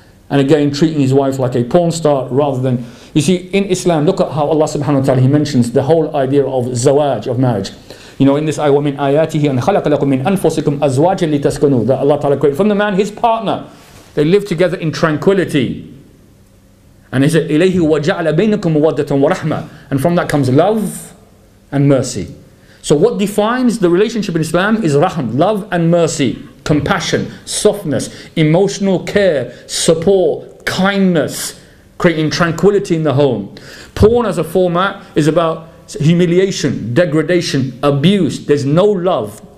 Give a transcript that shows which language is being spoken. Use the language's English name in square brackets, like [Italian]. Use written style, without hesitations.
[English] And again, treating his wife like a porn star rather than... You see, in Islam, look at how Allah subhanahu wa ta'ala, he mentions the whole idea of zawaj, of marriage. You know, in this ayah, [Arabic] وَمِنْ آيَاتِهِ أَنْ خَلَقَ لَكُمْ مِنْ أَنفُسِكُمْ أَزْوَاجًا لِتَسْكُنُوا, [English] that Allah ta'ala created from the man, his partner. They live together in tranquility. And he said, [Arabic] إِلَيْهِ وَجَعْلَ بَيْنَكُمْ مَوَدَّةً وَرَحْمَةً. [English] And from that comes love and mercy. So what defines the relationship in Islam is rahm, love and mercy, compassion, softness, emotional care, support, kindness, creating tranquility in the home. Porn as a format is about humiliation, degradation, abuse. There's no love.